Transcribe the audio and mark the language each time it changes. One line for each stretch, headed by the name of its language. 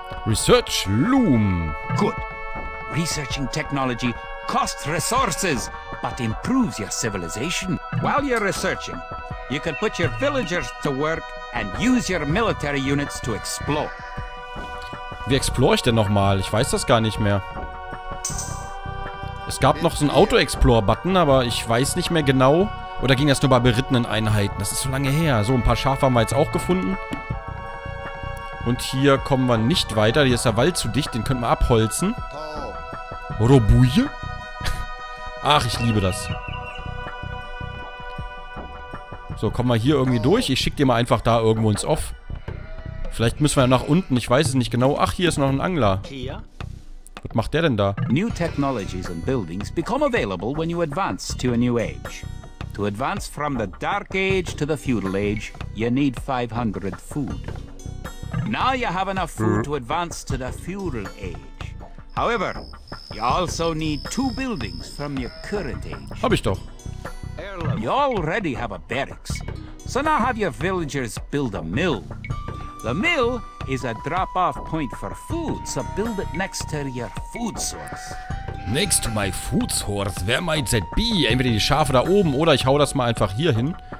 English: Research loom. Good. Researching technology costs resources, but improves your civilization. While you're researching, you can put your villagers to work and use your military units to explore.
German: Wie explore ich denn nochmal? Ich weiß das gar nicht mehr. Es gab noch so einen Auto-Explore-Button, aber ich weiß nicht mehr genau. Oder ging das nur bei berittenen Einheiten? Das ist so lange her. So, ein paar Schafe haben wir jetzt auch gefunden. Und hier kommen wir nicht weiter. Hier ist der Wald zu dicht, den könnten wir abholzen. Robuje? Ach, ich liebe das. So, kommen wir hier irgendwie durch. Ich schicke dir mal einfach da irgendwo ins Off. Vielleicht müssen wir nach unten, ich weiß es nicht genau. Ach, hier ist noch ein Angler. Hier? Was macht der denn da?
English: New technologies and buildings become available when you advance to a new age. To advance from the dark age to the feudal age, you need 500 food. Now you have enough food to advance to the feudal age. However, you also need two buildings from your current age.
German: Hab ich doch.
English: You already have a barracks, so now have your villagers build a mill. The mill is a drop-off point for food, so build it next to your food source. Next to my food source, where might that be?
German: Entweder die Schafe da oben oder ich hau das mal einfach hier hin.